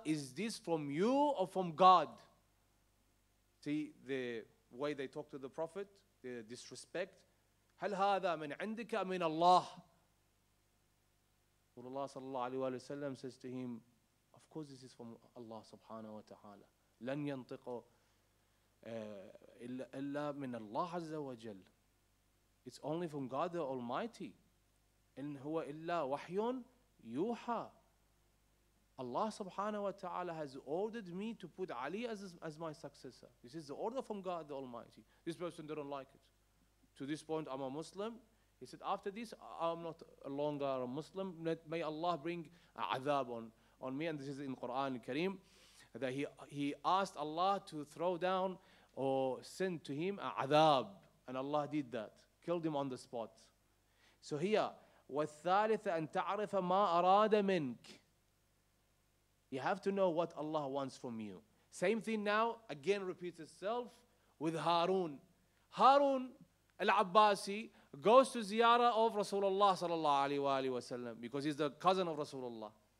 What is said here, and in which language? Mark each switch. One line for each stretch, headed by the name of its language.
English: Is this from you or from God? See the way they talk to the Prophet, the disrespect.
Arabic: هل هذا من عندك أم من الله?
English: Allah sallallahu alayhi wa sallam says to him, of course this is from Allah subhanahu wa ta'ala.
Arabic: لن ينطق إلا من الله عز وجل.
English: It's only from God the Almighty.
Arabic: إن هو إلا وحي يوحى.
English: Allah subhanahu wa ta'ala has ordered me to put Ali as my successor. This is the order from God the Almighty. This person didn't like it. To this point, I'm a Muslim. He said, after this, I'm not longer a Muslim. May Allah bring azab on me. And this is in Quran al-Kareem. That he asked Allah to throw down or send to him azab. And Allah did that. Killed him on the spot. So here,
Arabic: وَالثَّالِثَ أَن تَعْرِفَ مَا أَرَادَ مِنْكَ.
English: You have to know what Allah wants from you. Same thing now, again repeats itself with Harun. Harun al-Abbasi goes to ziyarah of Rasulullah sallallahu alayhi wa sallam because he's the cousin of Rasulullah.